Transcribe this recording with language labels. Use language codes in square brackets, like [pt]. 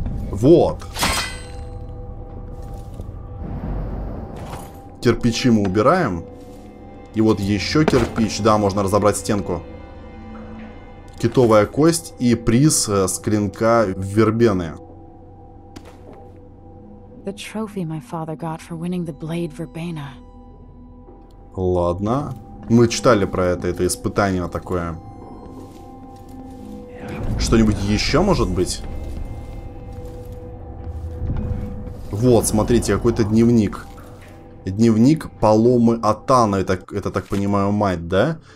[ru] Вот. Кирпичи мы убираем. И вот еще кирпич. Да, можно разобрать стенку. Китовая кость и приз с клинка вербены. [en] The trophy my father got for winning the blade verbena. [ru] Ладно. Мы читали про это испытание такое. Что-нибудь еще может быть? Вот, смотрите, какой-то дневник. Дневник Паломы Атана, это так понимаю, мать, да?